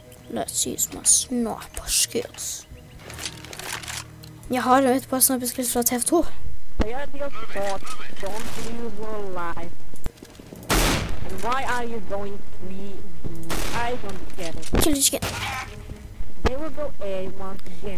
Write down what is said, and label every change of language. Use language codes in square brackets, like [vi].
[en] Let's use my sniper skills. [da] Jeg har et par [en] sniper skills [da] fra TF2. [en] They are your spot. Don't lose your life. And why are you going to be B? I don't get it. Kill the chicken. They will go A once again.